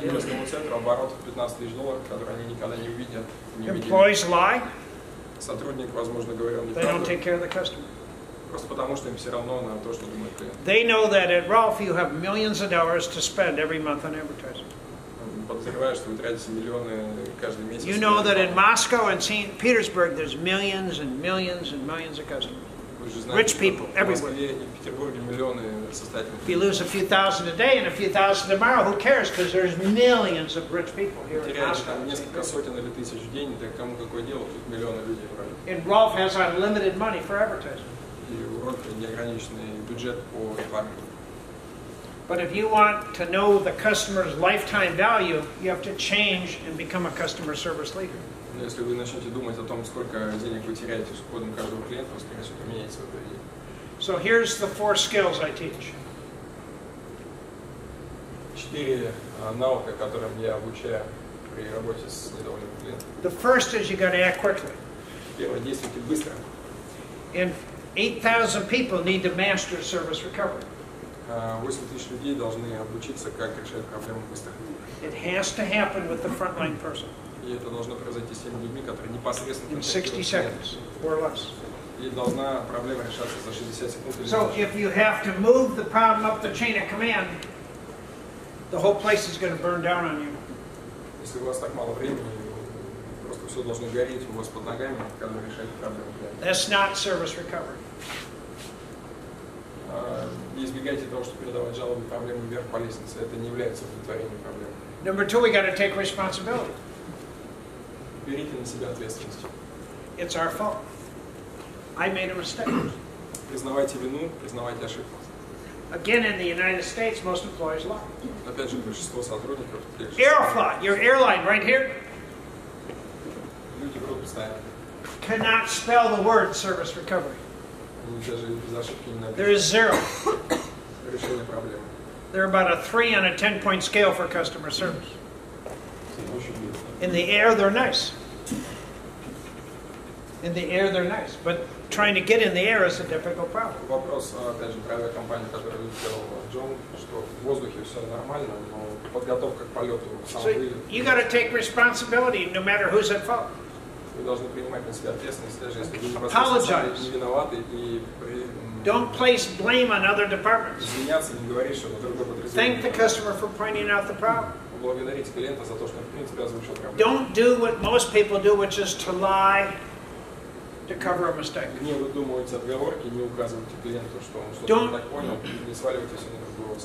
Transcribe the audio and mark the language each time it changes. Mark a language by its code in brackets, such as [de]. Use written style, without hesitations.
[ru] Оборот в $15,000, который они никогда не увидят. [en] Employees lie. [ru] Сотрудник, возможно, говорил неправду. [en] They don't take care of the customer. [ru] Просто потому что им все равно на то, что думает клиент. [en] They know that at Ralph you have millions of dollars to спend every month on advertising. [ru] Подозреваю, что вы тратите миллионы каждый месяц. [en] You know that in Moscow and St. Petersburg there's millions and millions and millions of customers. [ru] Вы же знаете, [en] rich people everywhere. [ru] В Москве и Петербурге миллионы состоятельных. [en] If you lose a few thousand a day and a few thousand tomorrow, who cares? Because there's millions of rich people here in Moscow. [ru] Теряешь там несколько сотен или тысяч в день, так кому какое дело? Тут миллионы людей. [en] And Rolf has unlimited money for advertising. [ru] И у Рольфа неограниченный бюджет по рекламе. [en] But if you want to know the customer's lifetime value, you have to change and become a customer service leader. [ru] Если вы начнете думать о том, сколько денег вы теряете с уходом каждого клиента, вы, скорее всего, поменяете свое поведение. [en] So here's the four skills I teach. [ru] Четыре навыка, которым я обучаю при работе с недовольным клиентом. [en] The first is you got to act quickly. [ru] Первое, действуйте быстро. [en] And 8,000 people need to master service recovery. [ru] 8 тысяч людей должны обучиться, как решать проблему быстро. [en] It has to happen with the frontline person. [ru] И это должно произойти с теми людьми, которые непосредственно... [en] In 60 seconds or less. [ru] И должна проблема решаться за 60 секунд. [en] So if you have to move the problem up the chain of command, the whole place is going to burn down on you. [ru] Если у вас так мало времени, просто все должно гореть у вас под ногами, когда вы решаете проблему. [en] That's not service recovery. [ru] Избегайте того, чтобы передавать жалобы и проблемы вверх по лестнице. Это не является удовлетворением проблем. [en] Number two, we got to take responsibility. [ru] Берите на себя ответственность. [en] It's our fault. I made a mistake. [ru] Признавайте вину, признавайте ошибку. [en] Again, in the United States, most employers lie. [ru] Опять же, большинство сотрудников. [en] Aeroflot, your airline, right here. [ru] Люди врут постоянно. [en] Cannot spell the word service recovery. [ru] Даже без ошибки не напишут. [en] There is zero. [ru] Решение проблемы. [en] They're about a 3 on a 10-point scale for customer service. In the air, they're nice. In the air, they're nice. But trying to get in the air is a difficult problem. [ru] Вопрос, опять же, про авиакомпанию, которую сделал Джон, что в воздухе все нормально, но подготовка к полету в самом деле... [en] So you got to take responsibility, no matter who's at fault. [ru] Вы должны принимать на себя ответственность, даже если вы не просто виноваты и... [en] Don't place blame on other departments. [ru] Извиняться, не говори, что на другой подразделение. [en] Thank the customer for pointing out the problem. [ru] Благодарить клиента за то, что, в принципе, озвучил проблему. [en] Don't do what most people do, which is to lie to cover a mistake. [ru] Не выдумывайте отговорки, не указывайте клиенту, что он что-то не так понял, не сваливайте все на другого.